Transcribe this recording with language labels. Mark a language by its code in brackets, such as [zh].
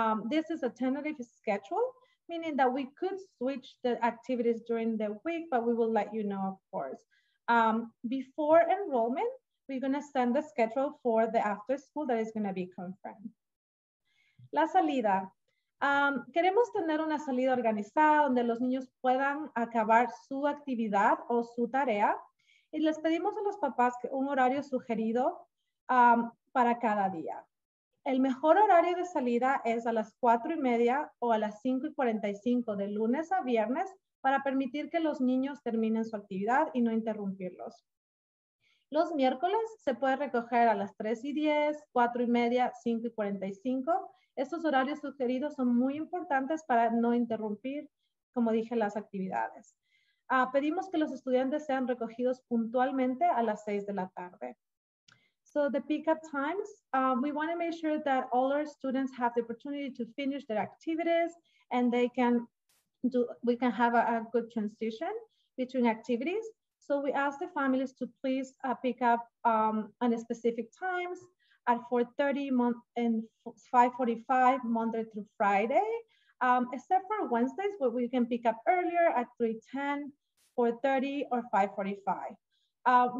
[en] This is a tentative schedule, meaning that we could switch the activities during the week, but we will let you know, of course. Before enrollment, we're going to send the schedule for the after school that is going to be confirmed. [es] La salida. Queremos tener una salida organizada donde los niños puedan acabar su actividad o su tarea, y les pedimos a los papás que un horario sugerido para cada día. El mejor horario de salida es a las 4:30 o a las 5:45 de lunes a viernes, para permitir que los niños terminen su actividad y no interrumpirlos. Los miércoles se puede recoger a las 3:10, 4:30, 5:45. Estos horarios sugeridos son muy importantes para no interrumpir, como dije, las actividades. Pedimos que los estudiantes sean recogidos puntualmente a las 6:00 p.m. [en] So the pickup times, we want to make sure that all our students have the opportunity to finish their activities and they can do, we can have a good transition between activities. So we ask the families to please pick up on a specific times at 4:30 and 5:45 Monday through Friday, except for Wednesdays, where we can pick up earlier at 3:10, 4:30, or 5:45.